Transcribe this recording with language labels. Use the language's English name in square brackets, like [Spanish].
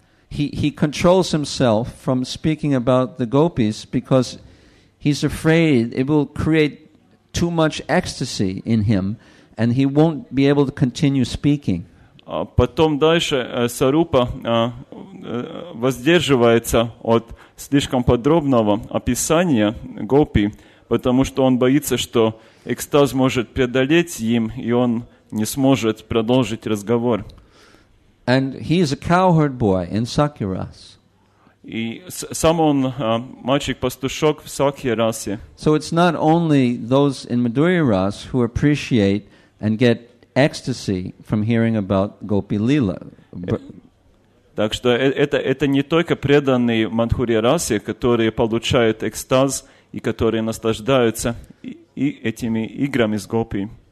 [English] he controls himself from speaking about the gopis because he's afraid it will create too much ecstasy in him and he won't be able to continue speaking. [Russian] Потом дальше Сарупа воздерживается от слишком подробного описания гопи, потому что он боится, что экстаз может преодолеть им, и он не сможет продолжить разговор. [English] And he is a cowherd boy in Sakhiras. [Russian] И сам он мальчик-пастушок в Сакхирасе. [English] So it's not only those in Madhurya-ras who appreciate and get ecstasy from hearing about Gopi Lila. [Russian] Так что это не только преданные Мадхурья-расе, которые получают экстаз и которые наслаждаются и этими играми с гопи.